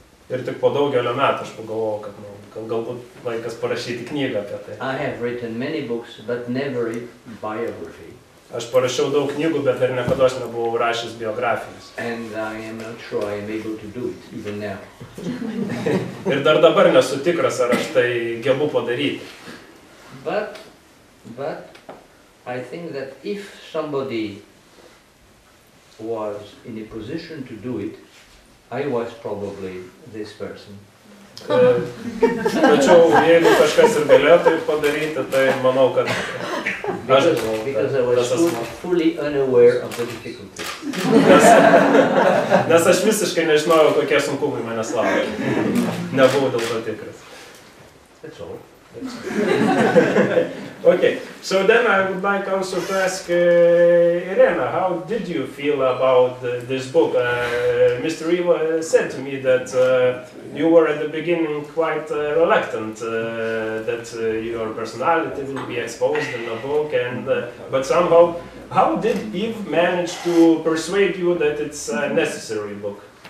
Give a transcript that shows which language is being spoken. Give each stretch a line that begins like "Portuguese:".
Lithuanian: Ir tik po daugelio metų aš pagalvojau, kad galbūt laikas parašyti knygą apie tai.
English: I have written many books, but never a biography.
Lithuanian: Aš parašiau daug knygų, bet ir niekados nebuvau rašęs biografijos.
English: And I am not sure I am able to do it even now.
Lithuanian: Ir dar dabar nesu tikras, ar aš tai gebu padaryti.
English: But I think that if somebody was in a position to do it, I was probably this person.
Lithuanian: Tačiau, jeigu kažkas ir galėtų padaryti, tai manau, kad aš
English: fully unaware of the difficulties.
Lithuanian: Nes aš visiškai nežinojau, kokie sunkumai manęs laukia. Nebuvau dėl to tikras.
English: That's all. Okay, so then I would like also to ask Irena, how did you feel about this book? Mr. Ivo said to me that you were at the beginning quite reluctant that your personality will be exposed in the book, and but somehow, how did Eve manage to persuade you that it's a necessary book?